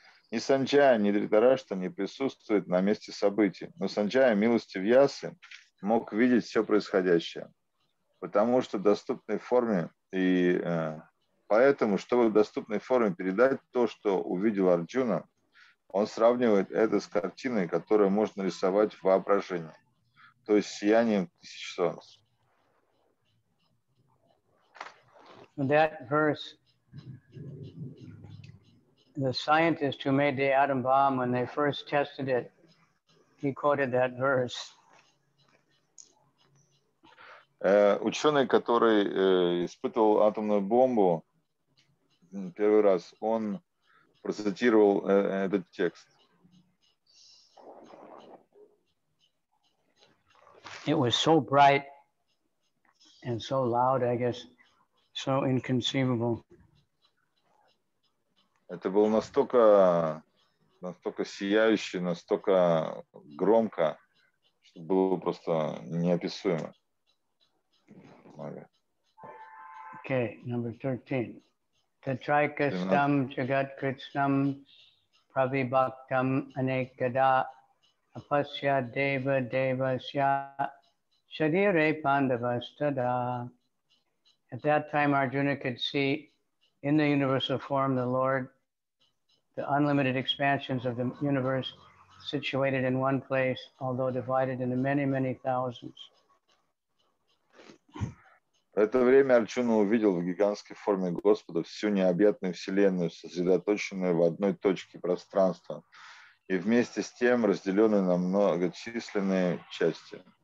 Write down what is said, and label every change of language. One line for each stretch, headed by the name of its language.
Russian: Ни Санджая, ни Дритарашта не присутствует на месте событий, но Санджая, милостив Ясы, мог видеть все происходящее, потому что в доступной форме и поэтому, чтобы в доступной форме передать то, что увидел Арджуна, он сравнивает это с картиной, которую можно рисовать в воображении, то есть сиянием тысяч солнц.
English: That verse, the scientist who made the atom bomb, when they first tested it, he quoted that verse.
Russian: Ученый, который испытывал атомную бомбу первый раз, он процитировал этот текст.
English: It was so bright and so loud, I guess. So inconceivable.
Russian: Это было настолько, настолько сияюще, настолько громко, что было просто неописуемо.
English: Okay, number 13.
Sanskrit: Tatrikastam jagat kritsnam pravibhaktam anekada apasya deva devasya shadire pandavastada.
English: At that time, Arjuna could see in the universal form the Lord, the unlimited expansions of the universe situated in one place, although divided into many, many thousands.
Russian: В это время Арджуна увидел в гигантской форме Господа всю необъятную Вселенную, сосредоточенную в одной точке пространства и вместе с тем разделенную на многочисленные части.